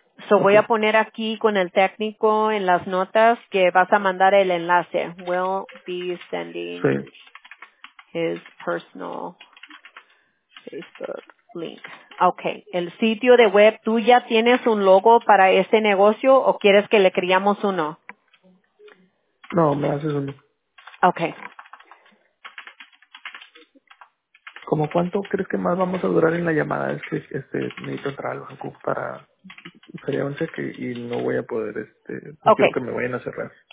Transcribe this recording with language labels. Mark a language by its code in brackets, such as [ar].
[es] Voy a poner aquí con el técnico en las notas que vas a mandar el enlace. [en] Will be sending his personal Facebook link. Okay. [es] El sitio de web, ¿tú ya tienes un logo para este negocio o quieres que le creamos uno? No, me haces uno. Okay. ¿Cómo cuánto crees que más vamos a durar en la llamada? Es que necesito entrar al banco para sería un cheque y no voy a poder no quiero que me vayan a cerrar.